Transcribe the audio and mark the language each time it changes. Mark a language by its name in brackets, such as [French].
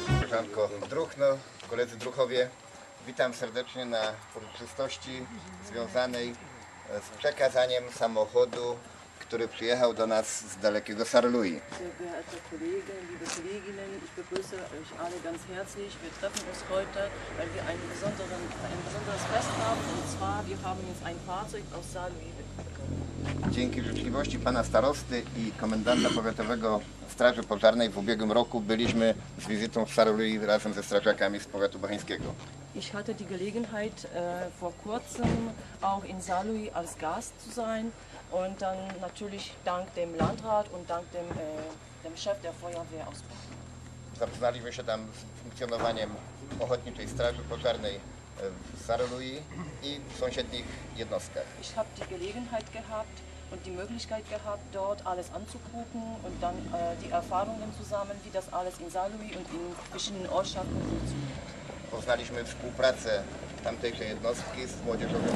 [Polish] jako druhnor, koledzy druhowie, witam serdecznie na uroczystości związanej z przekazaniem samochodu, który przyjechał do nas z dalekiego Sarlui. [German] Sehr geehrte Kollegen, liebe Kolleginnen, ich begrüße euch alle ganz herzlich. Wir treffen uns heute, weil wir ein besonderes Fest haben. Und zwar, wir haben jetzt ein Fahrzeug aus Sarlui. [Polish] Dzięki życzliwości pana starosty i komendanta powiatowego Straży Pożarnej w ubiegłym roku byliśmy z wizytą w Sarlui razem ze strażakami z powiatu bocheńskiego. [German] Ich hatte die Gelegenheit vor kurzem auch in Sarlui als Gast zu sein und dann natürlich dank dem Landrat und dank dem Chef der Feuerwehr aus Bochum. [Polish] Zapoznaliśmy się tam z funkcjonowaniem Ochotniczej Straży Pożarnej w Sarlui i w sąsiednich jednostkach. [German] Ich habe die Gelegenheit gehabt und die Möglichkeit gehabt, dort alles anzugucken und dann die Erfahrungen zu sammeln, wie das alles in Sarlui und in verschiedenen Ortschaften funktioniert. [Polish] Poznaliśmy współpracę tamtejszej jednostki z młodzieżowym